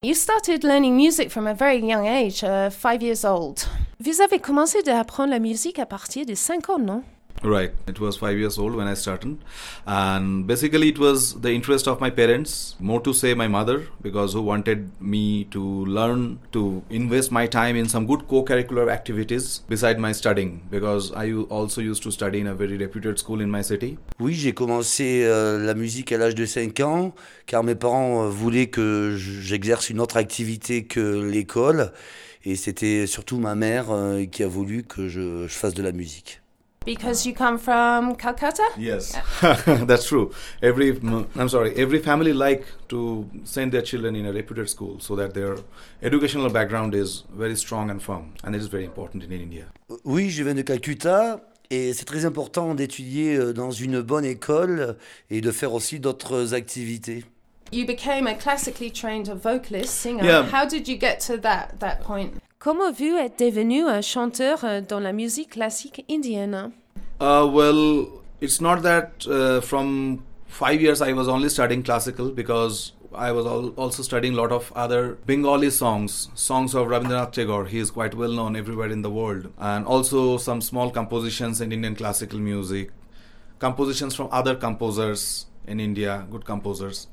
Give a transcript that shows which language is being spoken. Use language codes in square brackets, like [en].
[en] You started learning music from a very young age, 5 years old. [fr] Vous avez commencé à apprendre la musique à partir de 5 ans, non? [en] Right. It was 5 years old when I started. And basically it was the interest of my parents, more to say my mother, because who wanted me to learn to invest my time in some good co-curricular activities beside my studying, because I also used to study in a very reputed school in my city. [fr] Oui, j'ai commencé la musique à l'âge de 5 ans, car mes parents voulaient que j'exerce une autre activité que l'école. Et c'était surtout ma mère qui a voulu que je fasse de la musique. [en] Because you come from Calcutta? Yes, that's true. Every family like to send their children in a reputed school so that their educational background is very strong and firm. And it is very important in India. [fr] Oui, je viens de Calcutta. Et c'est très important d'étudier dans une bonne école et de faire aussi d'autres activités. [en] You became a classically trained vocalist, singer. Yeah. How did you get to that point? [fr] Comment vous êtes devenu un chanteur dans la musique classique indienne? [en] Well, it's not that from 5 years I was only studying classical, because I was also studying a lot of other Bengali songs of Rabindranath Tagore. He is quite well known everywhere in the world. And also some small compositions in Indian classical music, compositions from other composers in India, good composers.